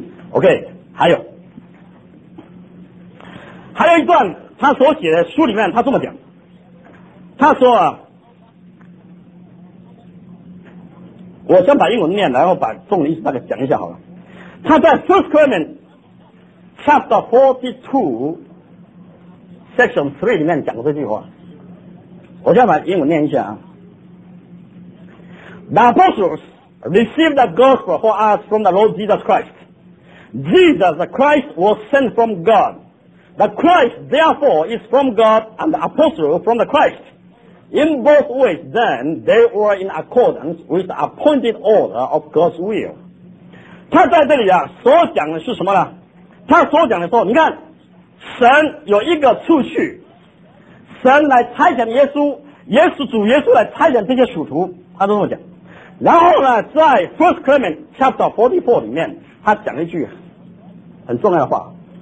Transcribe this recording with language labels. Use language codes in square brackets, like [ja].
[zh] OK， 还有一段他所写的书里面他这么讲，他说啊，我先把英文念，然后把中文意思大概讲一下好了。他在 First Clement Chapter 42 Section 3里面讲过这句话，我先把英文念一下啊。 [en] The apostles received the gospel for us from the Lord Jesus Christ. Jesus the Christ was sent from God. The Christ therefore is from God and the apostle from the Christ. In both ways, then, they were in accordance with the appointed order of God's will. [zh] 他在这里啊，所讲的是什么呢？他所讲的说，你看，神有一个次序，神来差遣耶稣，耶稣主耶稣来差遣这些使徒，他都这么讲。然后呢，在 First Clement Chapter 44里面，他讲了一句很重要的话。